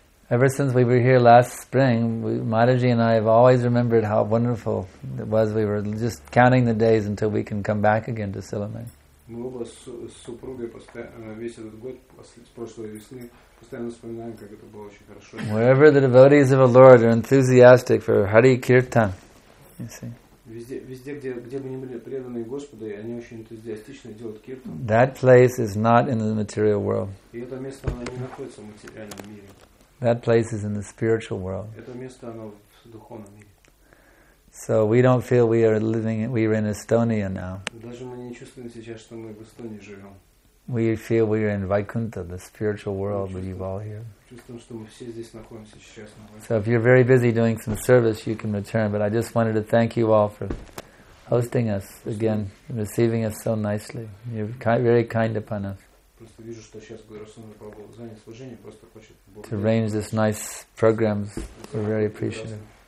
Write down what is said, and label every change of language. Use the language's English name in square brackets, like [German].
[English] Ever since we were here last spring, Maharaji and I have always remembered how wonderful it was. We were just counting the days until we can come back again to Silamai. [Russian] Мы оба с супругой весь этот год с прошлой весны постоянно вспоминаем, как это было очень хорошо. [English] Wherever the devotees of the Lord are enthusiastic for Hari Kirtan, you see. [Russian] Везде, где бы ни были преданные Господу, они очень энтузиастично делают киртан. [English] That place is not in the material world. [Russian] И это место, оно не находится в материальном мире. [English] That place is in the spiritual world. [Russian] Это место, оно в духовном мире. [English] So we don't feel we are living, we are in Estonia now. [Russian] Даже мы не чувствуем сейчас, что мы в Эстонии живем. [English] We feel we are in Vaikuntha, the spiritual world, where you all here. [Russian] Чувствуем, что мы все здесь находимся сейчас. [English] So if you're very busy doing some service, you can return. But I just wanted to thank you all for hosting us again, receiving us so nicely. You're very kind upon us. [Russian] Просто вижу, что сейчас Гурусунда Прабху занят служением, просто хочет Бог. [English] To arrange this nice programs, we're very appreciative.